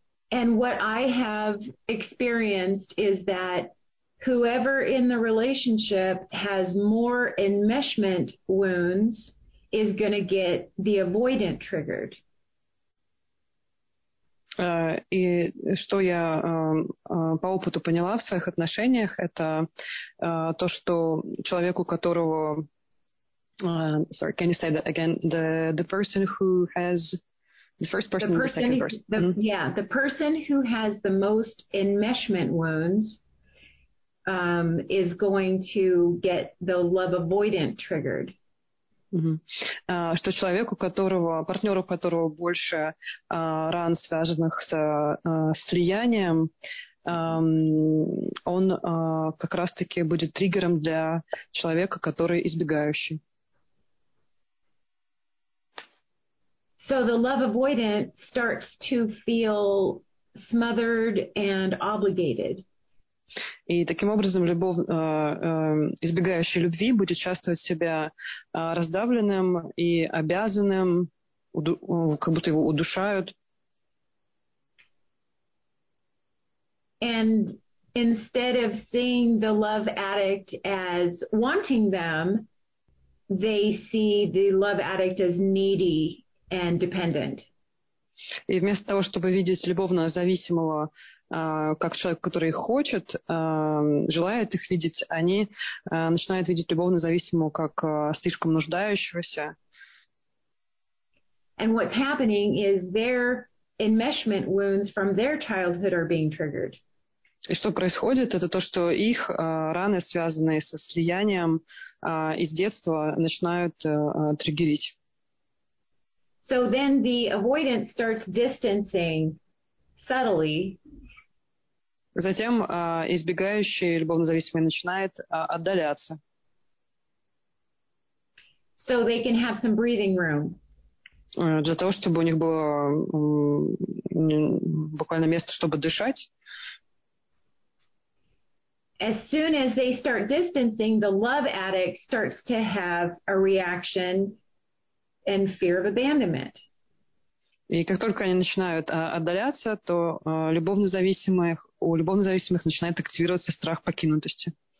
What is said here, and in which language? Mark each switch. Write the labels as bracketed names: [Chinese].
[English] And what I have experienced is that whoever in the relationship has more enmeshment wounds is going to get the avoidant triggered. [Russian] И что я по опыту поняла в своих отношениях, это то, что человеку, которого... [English] sorry, can you say that again? The person who has... The first person, the person and the second person. The, mm-hmm. Yeah, the person who has the most enmeshment wounds is going to get the love avoidant triggered. [Russian] Что человеку, которого, партнеру, у которого больше ран, связанных с слиянием, он как раз-таки будет триггером для человека, который избегающий. [English] So the love avoidant starts to feel smothered and obligated. [Russian] И таким образом избегающий любви будет чувствовать себя раздавленным и обязанным, как будто его удушают. [English] And instead of seeing the love addict as wanting them, they see the love addict as needy and dependent. [Russian] И вместо того, чтобы видеть любовно зависимого как человек, который хочет, желает их видеть, они начинают видеть любовно зависимого как слишком нуждающегося. [English] And what's happening is their enmeshment wounds from their childhood are being triggered. [Russian] И что происходит, это то, что их раны, связанные со слиянием из детства, начинают триггерить. [English] So then the avoidant starts distancing subtly. [Russian] Затем избегающий любовнозависимый начинает отдаляться. [English] So they can have some breathing room. [Russian] Для того, чтобы у них было буквально место, чтобы дышать. [English] As soon as they start distancing, the love addict starts to have a reaction and fear of abandonment. [Russian] И как только они начинают отдаляться, то у любовно зависимых начинает активироваться страх покинутости.